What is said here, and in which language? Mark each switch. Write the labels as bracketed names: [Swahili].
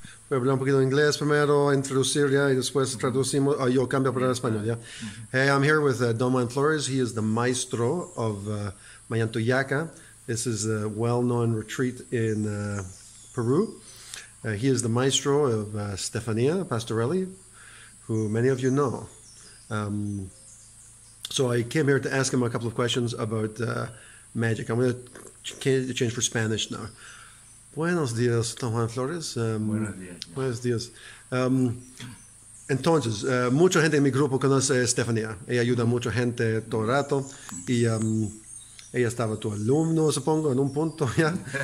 [Spanish] Hablar un poquito de inglés primero, introducir ya, y después traducimos, yo cambio para el español, ya. [English] Hey, I'm here with Don Juan Flores. He is the maestro of Mayantuyaca. This is a well-known retreat in Peru. He is the maestro of Stefania Pastorelli, who many of you know. So I came here to ask him a couple of questions about magic. I'm going to change for Spanish now. [Spanish] Buenos días, Don Juan Flores. Buenos días, ya. Buenos días. Entonces, mucha gente en mi grupo conoce a Estefanía. Ella ayuda a mucha gente todo el rato. Y ella estaba tu alumno, supongo, en un punto, ¿ya?